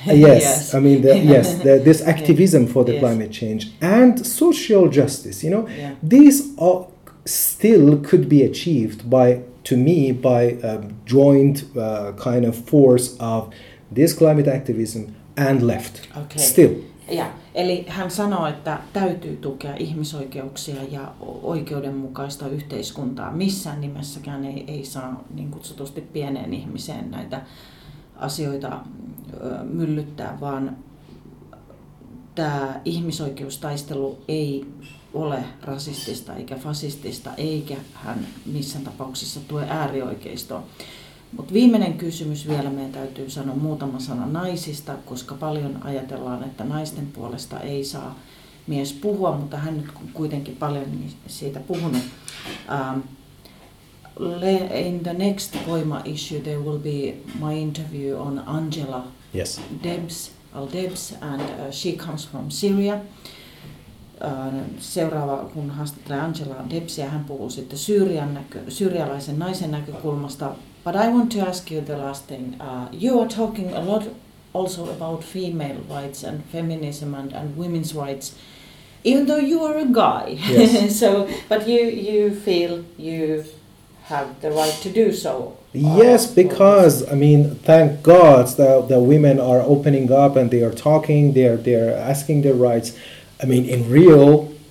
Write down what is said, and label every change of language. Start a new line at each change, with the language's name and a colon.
English: Yes, I mean, this activism for the climate change and social justice, you know, these are still could be achieved by a joint kind of force of this climate activism and left. Okay. Still. Yeah.
Finnish: Eli hän sanoo, että täytyy tukea ihmisoikeuksia ja oikeudenmukaista yhteiskuntaa. Missään nimessäkään ei saa niin kutsutusti pieneen ihmiseen näitä asioita myllyttää, vaan tämä ihmisoikeustaistelu ei ole rasistista eikä fasistista, eikä hän missään tapauksessa tue äärioikeistoa. Mutta viimeinen kysymys vielä, meidän täytyy sanoa muutama sana naisista, koska paljon ajatellaan, että naisten puolesta ei saa mies puhua, mutta hän nyt kuitenkin paljon siitä puhunut.
English: In the next Koima issue there will be my interview on Angela Debs, Al-Debs, and she comes from Syria.
Finnish: Seuraava, kun haastattelee Angela Debsia, hän puhuu sitten syyrialaisen naisen näkökulmasta.
English: But I want to ask you the last thing. You are talking a lot also about female rights and feminism and women's rights, even though you are a guy. Yes. So, but you feel you have the right to do so. Yes, because, I mean, thank God the women are opening up and they are talking, they're asking their rights, I mean, in real.